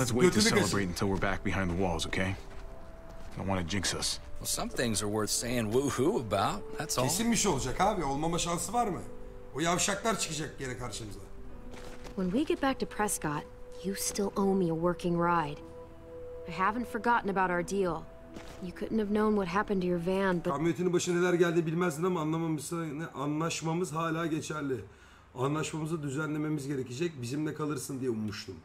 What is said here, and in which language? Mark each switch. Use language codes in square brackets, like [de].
[en] Let's wait to celebrate until we're back behind the walls, okay? Don't want to jinx us. Well, some things are worth saying woo-hoo about, that's all. [tr] Kesin bir şey olacak abi, olmama şansı var mı? O yavşaklar çıkacak gene karşımıza. [en] When we get back to Prescott, you still owe me a working ride. I haven't forgotten about our deal. You couldn't have known what happened to your van, but... [tr] Kamyonetinin başına neler geldi bilmezdin ama anlamamışsın. Anlaşmamız hala geçerli. Anlaşmamızı düzenlememiz gerekecek. Bizimle kalırsın diye ummuştum.